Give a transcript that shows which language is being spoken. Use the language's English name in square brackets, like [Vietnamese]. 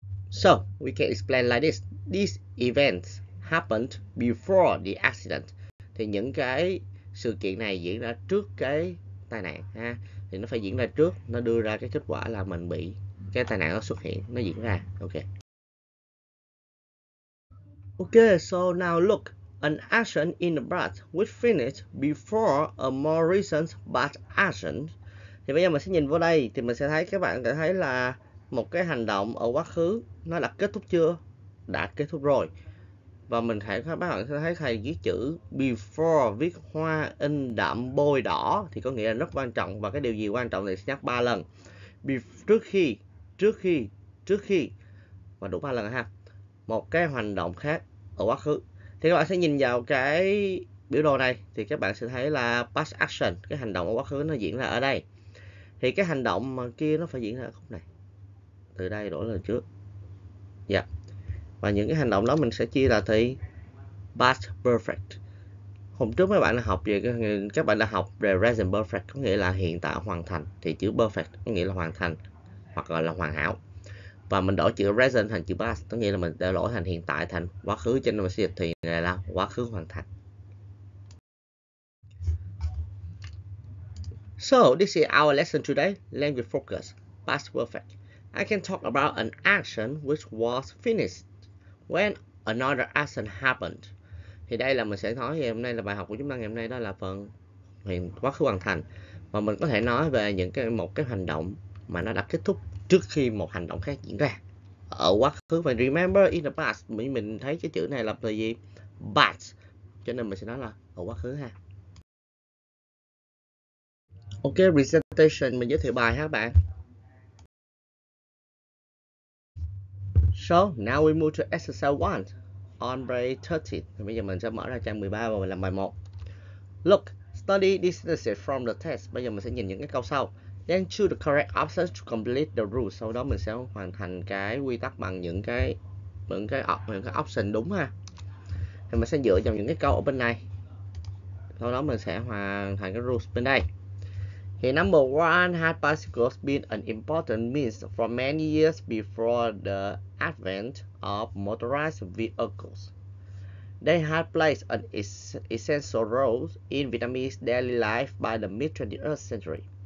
[English] So, we can explain like this. These events happened before the accident. [Vietnamese] Thì những cái sự kiện này diễn ra trước cái tai nạn ha. Thì nó phải diễn ra trước, nó đưa ra cái kết quả là mình bị cái tai nạn nó xuất hiện, nó diễn ra. [English] Ok. Okay, so now look. An action in the past which finished before a more recent bad action. [Vietnamese] Thì bây giờ mình sẽ nhìn vô đây thì mình sẽ thấy các bạn sẽ thấy là một cái hành động ở quá khứ nó đã kết thúc chưa? Đã kết thúc rồi. Và mình thấy các bạn sẽ thấy thầy viết chữ before viết hoa in đậm bôi đỏ thì có nghĩa là rất quan trọng, và cái điều gì quan trọng thì sẽ nhắc 3 lần. Before, trước khi và đủ 3 lần ha. Một cái hành động khác ở quá khứ. Thì các bạn sẽ nhìn vào cái biểu đồ này thì các bạn sẽ thấy là past action, cái hành động ở quá khứ nó diễn ra ở đây. Thì cái hành động mà kia nó phải diễn ra ở khúc này. Từ đây đổi lên trước. Dạ. Và những cái hành động đó mình sẽ chia là thì past perfect. Hôm trước mấy bạn đã học về các bạn đã học về present perfect có nghĩa là hiện tại hoàn thành, thì chữ perfect có nghĩa là hoàn thành hoặc gọi là hoàn hảo. Và mình đổi chữ present thành chữ past có nghĩa là mình đã đổi thành hiện tại thành quá khứ, cho nên mình sẽ dịch thì này là quá khứ hoàn thành. [English] So, this is our lesson today, language focus, past perfect. I can talk about an action which was finished when another action happened. [Vietnamese] Thì đây là mình sẽ nói về hôm nay là bài học của chúng ta ngày hôm nay, đó là phần hiện quá khứ hoàn thành. Và mình có thể nói về những cái một cái hành động mà nó đã kết thúc trước khi một hành động khác diễn ra ở quá khứ. Và [English] remember in the past [Vietnamese] mình thấy cái chữ này là từ gì? But. Cho nên mình sẽ nói là ở quá khứ ha. Ok, presentation mình giới thiệu bài ha các bạn. [English] So, now we move to exercise 1 on page 30. [Vietnamese] Thì bây giờ mình sẽ mở ra trang 13 và mình làm bài 1. [English] Look, study this sentence from the test. [Vietnamese] Bây giờ mình sẽ nhìn những cái câu sau. [English] Then choose the correct option to complete the rule. [Vietnamese] Sau đó mình sẽ hoàn thành cái quy tắc bằng những cái option đúng ha. Thì mình sẽ dựa vào những cái câu ở bên này. Sau đó mình sẽ hoàn thành cái rules bên đây. [English] Thì number one, had bicycles been an important means for many years before the advent of motorized vehicles? They had played an essential role in Vietnamese daily life by the mid-20th century.